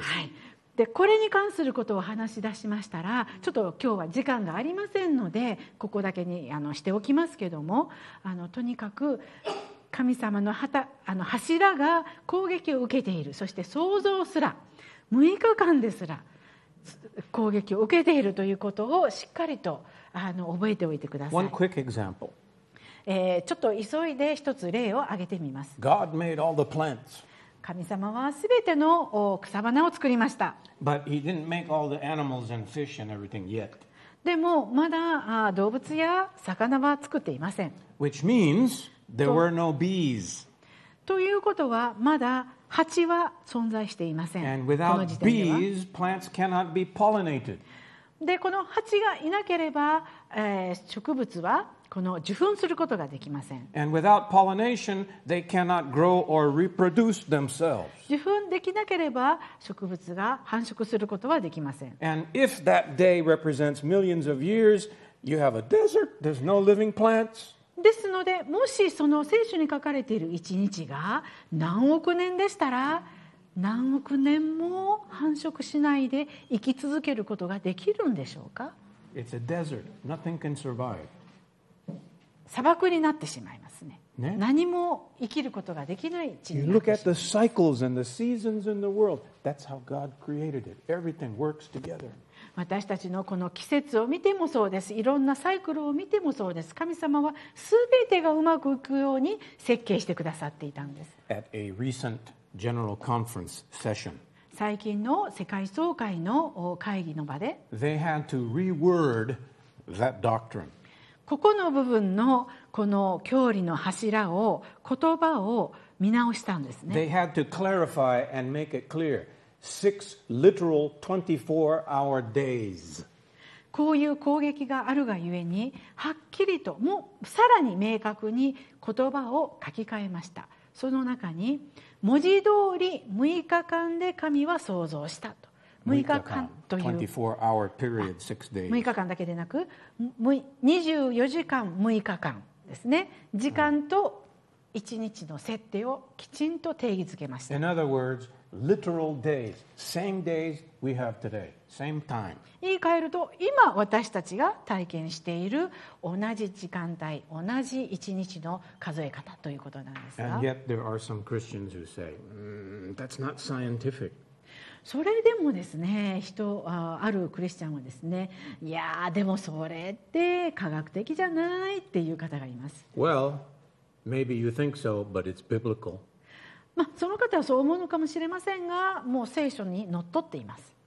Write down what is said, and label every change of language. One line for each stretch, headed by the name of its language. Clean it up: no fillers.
Japanese: はい、でこれに関することを話し出しましたら、ちょっと今日は時間がありませんので、ここだけにしておきますけども、とにかく神様の柱が攻撃を受けている、そして創造すら6日間ですら攻撃を受けているということをしっかりと覚えておいてください。
English: One quick example.
Japanese: ちょっと急いで一つ例を挙げてみます。
English: God made all the plants.
Japanese: 神様はすべての草花を作りました。
English: But he didn't make all the animals and fish and everything yet.
Japanese: でもまだ動物や魚は作っていません。
English: Which means there were no bees.
Japanese: ということはまだ蜂は存在していません。
English: And without bees, plants cannot be pollinated.
Japanese: でこの蜂がいなければ、植物はこの受粉することができません。
English: And without pollination, they cannot grow or reproduce themselves.
Japanese: 受粉できなければ植物が繁殖することはできません。
English: And if that day represents millions of years, you have a desert. There's no living plants.
Japanese: ですので、もしその聖書に書かれている1日が何億年でしたら、何億年も繁殖しないで生き続けることができるんでしょうか？
English: It's a desert. Nothing can survive.
Japanese: 砂漠になってしまいますね。何も生きることができない地になってしまいます。
English: You look at the cycles and the seasons in the world. That's how God created it. Everything works together.
Japanese: 私たちのこの季節を見てもそうです。いろんなサイクルを見てもそうです。神様はすべてがうまくいくように設計してくださっていたんです。
English: At a recent general conference session.
Japanese: 最近の世界総会の会議の場で、
English: They had to reword that doctrine.
Japanese: ここの部分のこの教理の柱を言葉を見直したんですね。
English: They had to clarify and make it clear. Six literal 24-hour days.
Japanese: こういう攻撃があるがゆえに、はっきりと、もうさらに明確に言葉を書き換えました。その中に、文字通り6日間で神は創造したと。 6日間という
English: 24 period, 6, days.
Japanese: 6日間だけでなく24時間6日間ですね、時間と1日の設定をきちんと定義づけました。
English: In other words, literal days, same days we have today, same time.
Japanese: 言い換えると今私たちが体験している同じ時間帯、同じ1日の数え方ということなんですが、
English: And yet there are some Christians who say, that's not scientific.
Japanese: それでもですね、人あるクリスチャンはですね、いやでもそれって科学的じゃないっていう方がいます。
English: Well, maybe you think so, but it's biblical.
Japanese: まあ、その方はそう思うのかもしれませんが、もう聖書にのっとっています。